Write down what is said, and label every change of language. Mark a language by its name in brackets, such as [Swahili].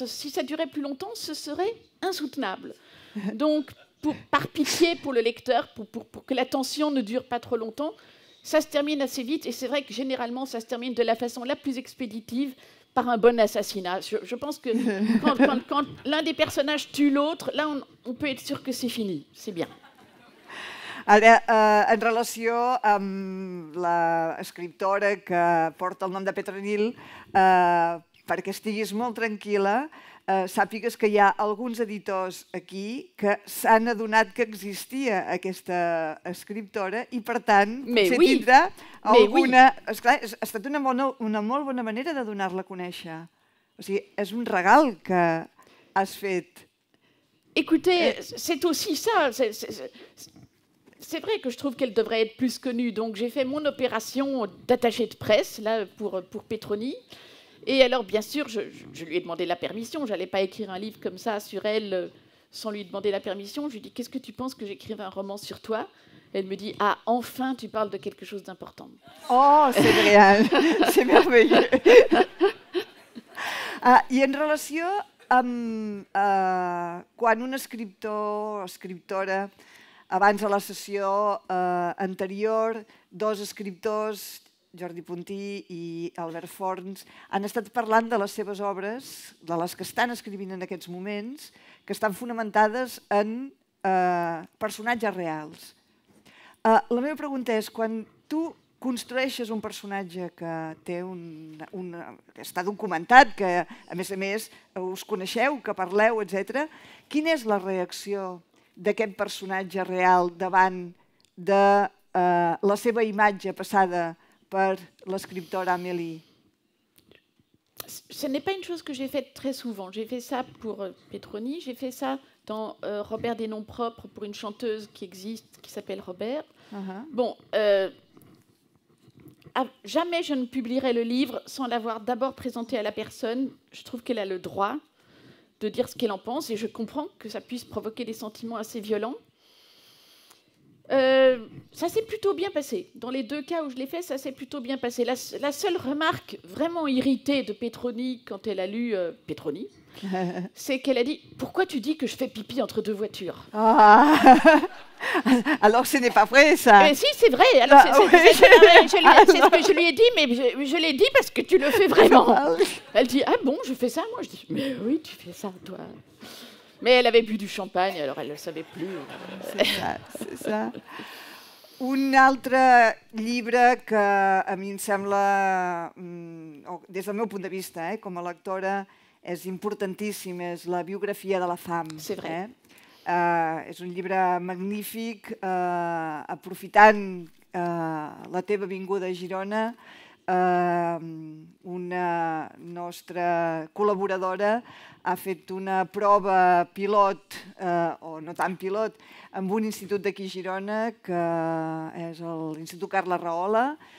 [French] Si ça durait plus longtemps, ce serait insoutenable. Donc, par pitié pour le lecteur, pour que la tension ne dure pas trop longtemps, ça se termine assez vite, et c'est vrai que généralement, ça se termine de la façon la plus expéditive, par un bon assassinat. Je pense que quand l'un des personnages tue l'autre, là, on peut être sûr que c'est fini. C'est bien. [Catalan] Ara, en relació amb l'escriptora que porta el nom de Petronil, perquè estiguis molt tranquil·la, sàpigues que hi ha alguns editors aquí que s'han adonat que existia aquesta escriptora i, per tant, potser tindrà alguna... Esclar, ha estat una molt bona manera de donar-la a conèixer. O sigui, és un regal que has fet. [French] Écoutez, c'est aussi ça. C'est vrai que je trouve qu'elle devrait être plus connue. Donc, j'ai fait mon opération d'attaché de presse là, pour Petroni. Et alors, bien sûr, je lui ai demandé la permission. Je n'allais pas écrire un livre comme ça sur elle sans lui demander la permission. Je lui ai dit, qu'est-ce que tu penses que j'écrive un roman sur toi? Elle me dit, ah, enfin, tu parles de quelque chose d'important. Oh, c'est génial. C'est merveilleux. Ah, et en relation [Catalan] amb, [French] quand un [Catalan] escriptor o escriptora, abans de la sessió anterior, dos escriptors... Jordi Puntí i Albert Forns, han estat parlant de les seves obres, de les que estan escrivint en aquests moments, que estan fonamentades en personatges reals. La meva pregunta és, quan tu construeixes un personatge que té que està documentat, que a més us coneixeu, que parleu, etc., quina és la reacció d'aquest personatge real davant de la seva imatge passada [French] par l'escripteur [Catalan] Amélie? [French] Ce n'est pas une chose que j'ai faite très souvent. J'ai fait ça pour Petroni, j'ai fait ça dans Robert des noms propres pour une chanteuse qui existe, qui s'appelle Robert. Bon, jamais je ne publierai le livre sans l'avoir d'abord présenté à la personne. Je trouve qu'elle a le droit de dire ce qu'elle en pense et je comprends que ça puisse provoquer des sentiments assez violents. Ça s'est plutôt bien passé. Dans les deux cas où je l'ai fait, ça s'est plutôt bien passé. La seule remarque vraiment irritée de Petroni quand elle a lu Petroni, c'est qu'elle a dit « Pourquoi tu dis que je fais pipi entre deux voitures ?» Ah. Alors ce n'est pas vrai, ça. Mais si, c'est vrai. Alors, c'est ce que je lui ai dit, mais je l'ai dit parce que tu le fais vraiment. Elle dit « Ah bon, je fais ça, moi ?» Je dis « Mais oui, tu fais ça, toi. » Mais elle avait bu du champagne, alors elle ne le savait plus. C'est ça, c'est ça. [Catalan] Un altre llibre que a mi em sembla, des del meu punt de vista, com a lectora, és importantíssim, és la biografia de la fam. [French] C'est vrai. [Catalan] És un llibre magnífic, aprofitant la teva vinguda a Girona, una nostra col·laboradora ha fet una prova pilot, o no tan pilot, amb un institut d'aquí a Girona, que és l'Institut Carla Rahola.